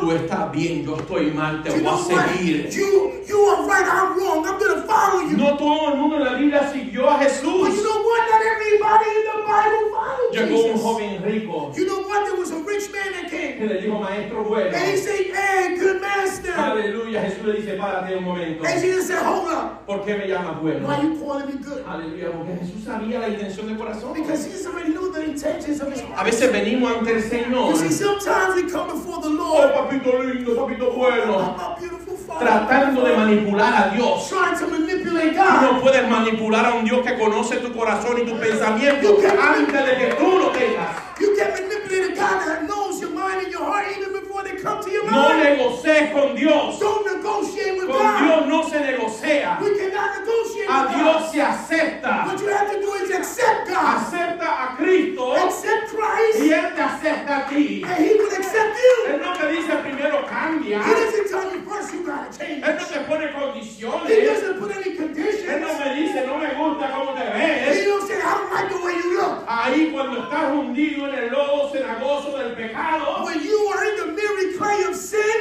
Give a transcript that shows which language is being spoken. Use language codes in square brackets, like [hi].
[es] tú estás bien, yo estoy mal, te voy a seguir. [en] You are right, I'm wrong, I'm gonna follow you. [es] No todo el mundo en la Biblia siguió a Jesús. [en] But you know what, not everybody in the Bible followed [es] Llegó [en] Jesus. [es] Un joven rico. [en] You know what, there was a rich man that came. [es] Que le dijo, maestro, [en] And he said, hey, good master. [es] Aleluya, Jesús le dice, párate un momento. [en] And Jesus said, hold up. [es] ¿Por qué me llamas bueno? [en] Why are you calling me good? [es] Aleluya, porque Jesús sabía la intención del corazón. [en] Because Jesus already knew the intentions of his heart. [es] A veces venimos ante el Señor. [en] You see, sometimes we come before the Lord. [es] Oh, papito lindo, papito bueno. [en] My beautiful father. [es] Tratando de manipular a Dios. [en] Trying to manipulate God. [es] No puedes manipular a un Dios que conoce tu corazón y tu pensamiento antes de que tú lo tengas. [en] You can't manipulate a God that knows your mind and your heart even before they come to your mind. [es] No negocies con Dios. [en] Don't negotiate with [es] con [en] God. [es] Con Dios no se negocia. [en] We cannot negotiate [es] a [en] with God. [es] A Dios se acepta. [en] What you have to do is accept God. [es] Acepta a Cristo. [en] Accept Christ. [es] Y Él te acepta a ti. [en] And He will accept you. [es] Él no te dice primero cambia. [en] He doesn't tell you first you gotta change. [es] Él no te pone condiciones. [en] He doesn't put any conditions. [es] Él no me dice no me gusta cómo te ves. [en] He don't say I don't like the way you look. [es] Ahí cuando estás hundido en el lodo cenagoso del pecado. [en] When you are in the miry clay of sin,